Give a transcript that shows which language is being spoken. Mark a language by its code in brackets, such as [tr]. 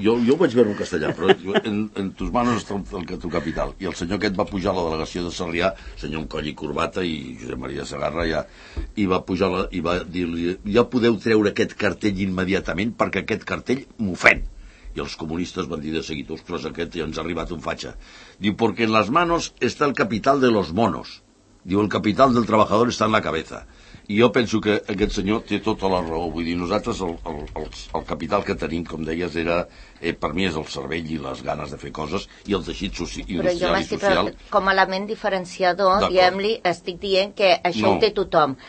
[ca] Jo ho vaig veure en castellà, però [es] en tus manos [ca] està el teu capital. I el senyor aquest va pujar a la delegació de Sarrià, senyor amb coll i corbata, i Josep Maria Sagarra, ja, i va pujar i va dir-li: ja podeu treure aquest cartell immediatament, perquè aquest cartell m'ofèn. I els comunistes van dir de seguit: ostres, aquest ja ens ha arribat un fatxa. Diu: [es] porque en las manos está el capital de los monos. [ca] Diu: el capital del treballador està [es] en la cabeza. [ca] I jo penso que aquest senyor té tota la raó. Vull dir, nosaltres el capital que tenim, com deies, era, per mi és el cervell i les ganes de fer coses i el teixit industrial i social. Però jo, com a element diferenciador, diem-li, estic dient que això no. Ho té tothom.